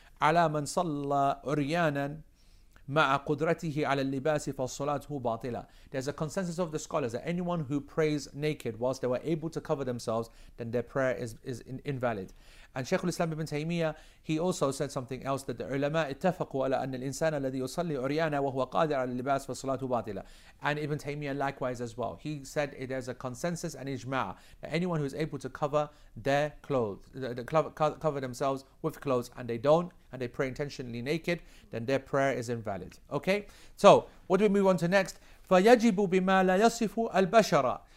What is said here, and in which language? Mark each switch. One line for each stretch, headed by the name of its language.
Arabic: على من صلى عريانا مع قدرته على اللباس فصلاته باطلة.
English: There's a consensus of the scholars that anyone who prays naked whilst they were able to cover themselves, then their prayer is invalid. And Shaykh al-Islam ibn Taymiyyah, he also said something else, that the ulama
Arabic: اتفقوا على أن الإنسان الذي يصلي عريانا وهو قادر على اللباس فصلاته باطلة.
English: And Ibn Taymiyyah likewise as well. He said there's a consensus and ijma' that anyone who is able to cover their clothes, cover themselves with clothes, and they don't, and they pray intentionally naked, then their prayer is invalid. Okay? So, what do we move on to next?
Arabic: فَيَجِبُ بِمَا لَا يَصِفُ الْبَشَرَ.